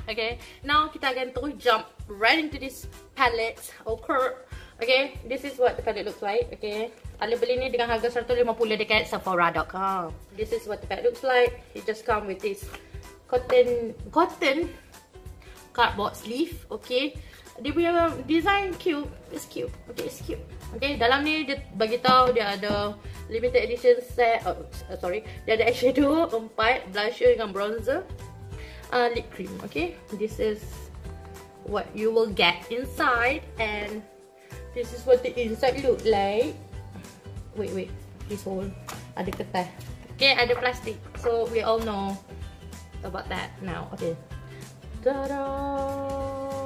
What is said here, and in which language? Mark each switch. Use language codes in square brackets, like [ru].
[en] Okay, now [ms] kita akan terus [en] jump right into this palette. Okay, this is what the palette looks like. Okay, [ms] Alia beli ni dengan harga RM150 dekat Sephora.com. [en] This is what the bag looks like. It just come with this cotton cardboard sleeve. Okay, [ms] dia punya design cute. [en] It's cute. Okay, it's cute. [ms] Okay, dalam ni dia bagitahu dia ada limited edition set. Dia ada eyeshadow 4, blusher dengan bronzer, lip cream. [en] Okay, this is what you will get inside. And this is what the inside look like. Wait, this hole [ms] ada kertas. [en] Okay, [ms] ada plastik. [en] So we all know about that now. Okay, ta-da!